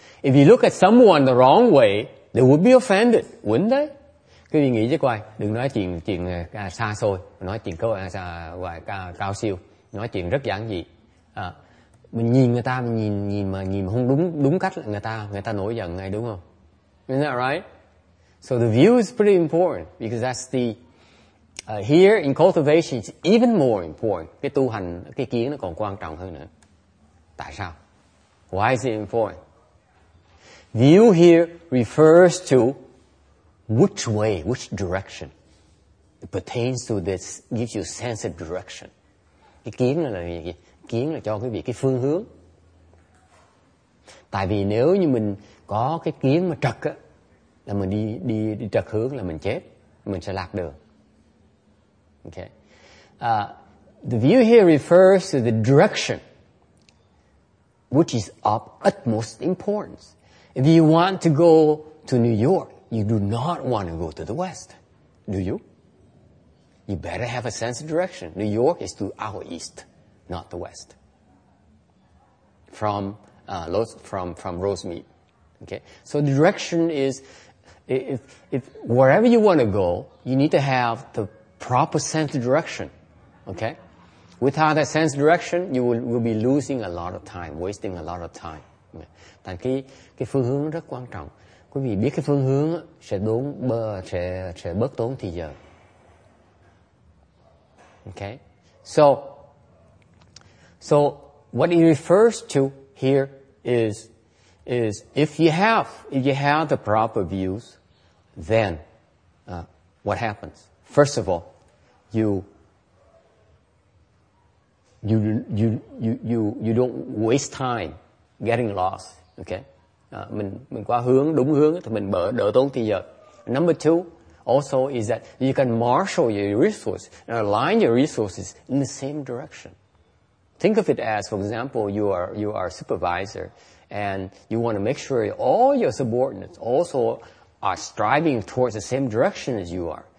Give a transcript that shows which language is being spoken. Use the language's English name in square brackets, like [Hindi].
[English] If you look at someone the wrong way, they would be offended, wouldn't they? [Vietnamese] Quý vị nghĩ chứ coi, đừng nói chuyện xa xôi, nói chuyện cao siêu, nói chuyện rất giản dị. À, mình nhìn người ta, mình nhìn mà không đúng cách là người ta nổi giận ngay, đúng không? [English] Isn't that right? So the view is pretty important because that's the here in cultivation it's even more important. [Vietnamese] Cái tu hành, cái kiến nó còn quan trọng hơn nữa. Tại sao? [English] Why is it important? View here refers to which way, which direction. It pertains to this, gives you a sense of direction. [Vietnamese] Cái kiến là gì? Kiến là cho quý vị cái phương hướng. Tại vì nếu như mình có cái kiến mà trật á, là mình đi trật hướng là mình chết, mình sẽ lạc đường. [English] Okay. The view here refers to the direction, which is of utmost importance. If you want to go to New York, you do not want to go to the west. Do you? You better have a sense of direction. New York is to our east, not the west. From Rosemead. Okay? So the direction is, if wherever you want to go, you need to have the proper sense of direction. Okay? Without that sense of direction, you will be losing a lot of time, wasting a lot of time. [Vietnamese] Tại cái phương hướng rất quan trọng. Quý vị biết cái phương hướng sẽ bớt tốn thì giờ. [English] Okay. So what it refers to here is if you have the proper views, then what happens? First of all, you don't waste time getting lost, okay? [Vietnamese] Mình qua hướng, đúng hướng thì mình đỡ tốn thời giờ. [English] Number two also is that you can marshal your resources and align your resources in the same direction. Think of it as, for example, you are a supervisor and you want to make sure all your subordinates also are striving towards the same direction as you are.